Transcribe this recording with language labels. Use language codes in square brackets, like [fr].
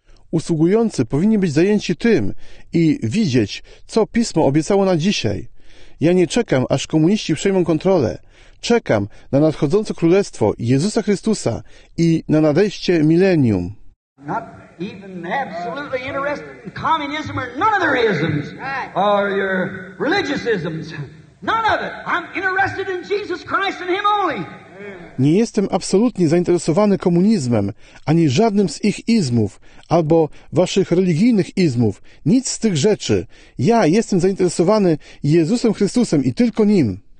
[pl] Usługujący powinni być zajęci tym i widzieć, co Pismo obiecało na dzisiaj. Ja nie czekam, aż komuniści przejmą kontrolę. Czekam na nadchodzące królestwo Jezusa Chrystusa i na nadejście milenium. [en] Not even absolutely interested in communism or none of their isms or your religious isms. None of it. I'm interested in Jesus Christ and Him only. [pl] Nie jestem absolutnie zainteresowany komunizmem, ani żadnym z ich izmów, albo waszych religijnych izmów, nic z tych rzeczy. Ja jestem zainteresowany Jezusem Chrystusem i tylko Nim.